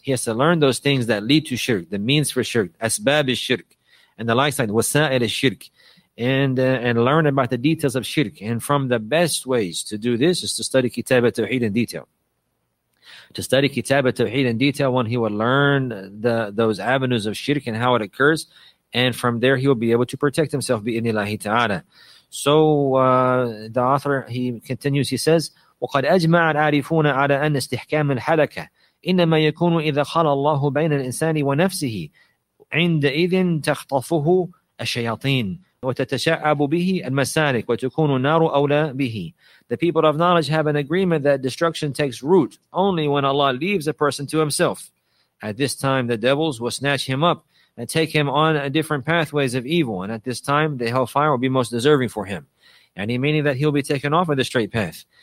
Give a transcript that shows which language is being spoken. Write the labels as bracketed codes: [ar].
[en] He has to learn those things that lead to shirk, the means for shirk, asbab is shirk, and the likes like wasa'il is shirk, and learn about the details of shirk. And from the best ways to do this is to study Kitab al-Tawheed in detail. To study Kitab al-Tawheed in detail, when he will learn those avenues of shirk and how it occurs, and from there he will be able to protect himself bi'inillahi ta'ala. So the author, he continues, he says, [ar] وَقَدْ أَجْمَعَ الْعَارِفُونَ عَلَى أَنَّ اسْتِحْكَامَ الْحَلَكَةِ إِنَّمَا يَكُونُ إِذَا خَلَى اللَّهُ بَيْنَ الْإِنسَانِ وَنَفْسِهِ عِنْدَ إِذٍ تَخْطَفُهُ الشَّيَاطِينَ وَتَتَشَعَّبُ بِهِ الْمَسَارِكُ وَتُكُونُ النَّارُ أَوْلَى بِهِ. [en] The people of knowledge have an agreement that destruction takes root only when Allah leaves a person to himself. At this time, the devils will snatch him up and take him on a different pathways of evil. And at this time, the hellfire will be most deserving for him. And he meaning that he'll be taken off of the straight path.